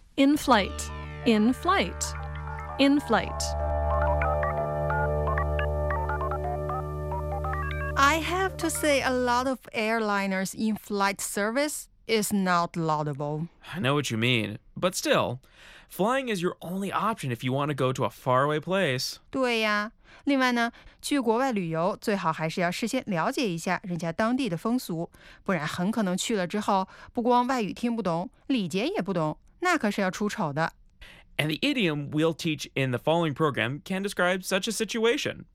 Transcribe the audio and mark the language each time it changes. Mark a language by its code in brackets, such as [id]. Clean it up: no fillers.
[en] in-flight, in-flight, in-flight. I have to say a lot of airliners in-flight service is not laudable. I know what you mean, but still... Flying is your only option if you want to go to a faraway place. [zh] 对呀，另外呢，去国外旅游最好还是要事先了解一下人家当地的风俗，不然很可能去了之后，不光外语听不懂，礼节也不懂，那可是要出丑的。 [en] And the idiom we'll teach in the following program can describe such a situation.